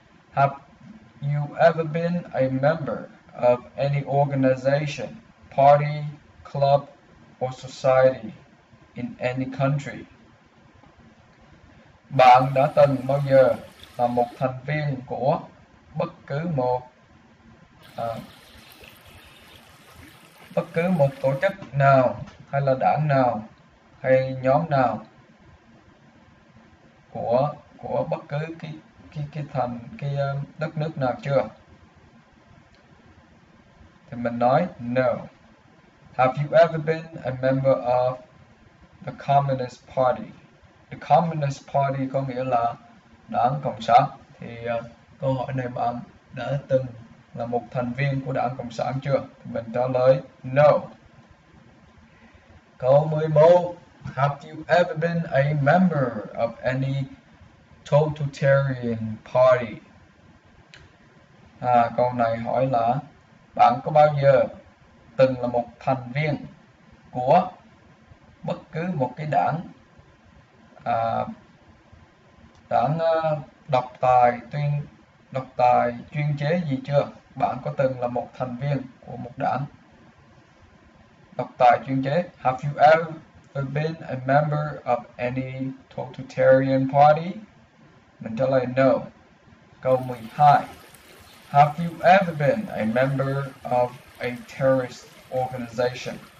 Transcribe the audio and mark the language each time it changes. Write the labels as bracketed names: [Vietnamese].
[English] Have you ever been a member of any organization, party, club or society in any country? [Vietnamese] Bạn đã từng bao giờ là một thành viên của bất cứ một tổ chức nào hay là đảng nào hay nhóm nào của bất cứ cái đất nước nào chưa? Thì mình nói no. [English] Have you ever been a member of the Communist Party? The Communist Party [Vietnamese] có nghĩa là Đảng Cộng sản. Thì câu hỏi này bạn đã từng là một thành viên của Đảng Cộng sản chưa? Mình trả lời no. Câu 11. [English] Have you ever been a member of any totalitarian party? [Vietnamese] Câu này hỏi là bạn có bao giờ từng là một thành viên của bất cứ một cái đảng đảng độc tài tuyên độc tài chuyên chế gì chưa? Bạn có từng là một thành viên của một đảng độc tài chuyên chế? [English] Have you ever been a member of any totalitarian party? [Vietnamese] Mình trả lời no. Câu 12. [English] Have you ever been a member of a terrorist organization?